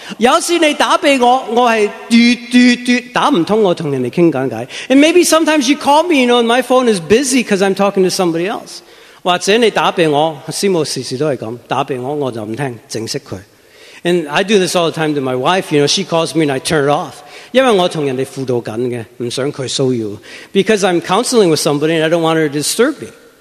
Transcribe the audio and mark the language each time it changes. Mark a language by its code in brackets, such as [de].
[yue] 有时你打俾我，我系嘟嘟嘟打唔通，我同人哋倾紧偈。 [en] And maybe sometimes you call me, you know, and my phone is busy because I'm talking to somebody else. [yue] 或者你打俾我，师母时时都系咁，打俾我我就唔听，整熄佢。 [en] And I do this all the time to my wife, you know, she calls me and I turn it off. [yue] 因为我同人哋辅导紧嘅，唔想佢骚扰。 [en] Because I'm counseling with somebody and I don't want her to disturb me.